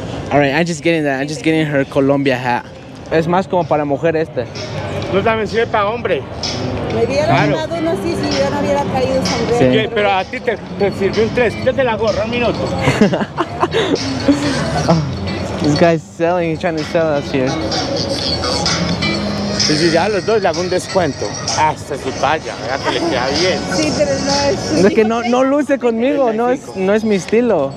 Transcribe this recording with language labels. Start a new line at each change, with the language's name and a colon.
English: All right, I'm just getting her Colombia hat.
Spanish: Es más como para mujer este. No, también sirve para hombre. Me hubiera ganado uno así si yo no hubiera caído sangre. Sí. Pero a ti te sirvió un tres. Quítate la gorra un minuto.
English: This guy's selling, he's trying to sell us here.
Spanish: Si sí, ya los dos le hago un descuento. Hasta su talla, ya te le queda bien. Sí, pero no es. Es que no luce conmigo, no es mi estilo.